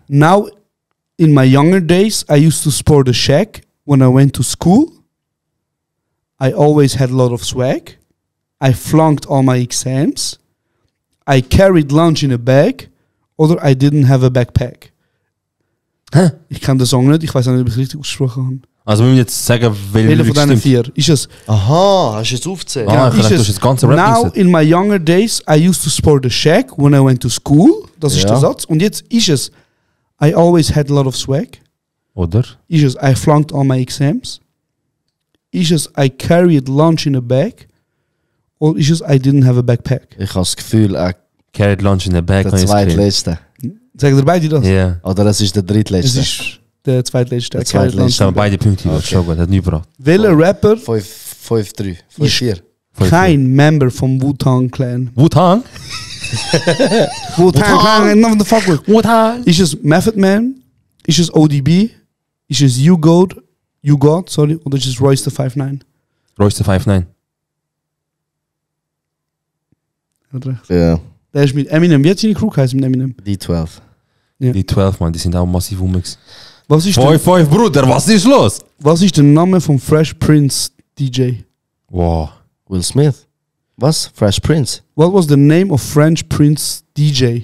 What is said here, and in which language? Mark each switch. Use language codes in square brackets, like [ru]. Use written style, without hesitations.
[en] Now, in my younger days, I used to sport a shack when I went to school. I always had a lot of swag. I flunked all my exams. I carried lunch in a bag. Oder I didn't have a backpack. Hä? [de] Ich kann den Song nicht, ich weiß nicht, ob ich richtig ausgesprochen habe. Also wir müssen jetzt sagen, welche von deinen vier. Ist es? Aha, hast du jetzt aufgezählt? Ah, ich dachte, du hast jetzt ganze Rap. [en] Now, in my younger days, I used to sport a shack when I went to school. [de] Das ist ja der Satz. Und jetzt ist es, [en] I always had a lot of swag. [de] Oder? Ist es, [en] I flunked all my exams. Ist es, I carried lunch in a bag. [de] Oder ist es, [en] I didn't have a backpack. [de] Ich habe das Gefühl, [en] carried lunch in the bag. [de] Der zweitletzte. Sagen dir beide das? Ja. Yeah. Oder das ist der drittletzte? Das ist der zweitletzte. Der zweitletzte. Da haben beide Punkte. Okay. Schau mal, das hat nie gebracht. Welcher Rapper? 5-3. 5-4. Kein Member vom Wu-Tang Clan. Wu-Tang? [en] Wu-Tang Clan, enough of the fuck with. [de] Wu-Tang? Ist es Method Man? Ist es ODB? Ist es U-God? U-God, sorry. Oder ist es Royce the 5'9? Royce the 5'9. Hat recht. Ja. Yeah. Der ist mit Eminem. Wie hat seine Crew geheißen mit Eminem? D12. Ja. D12, Mann. Die sind auch massiv Umex. Was ist 5-5, Bruder. Was ist los? Was ist der Name vom Fresh Prince DJ? Wow. Will Smith. Was? Fresh Prince? [en] What was the name of French Prince DJ?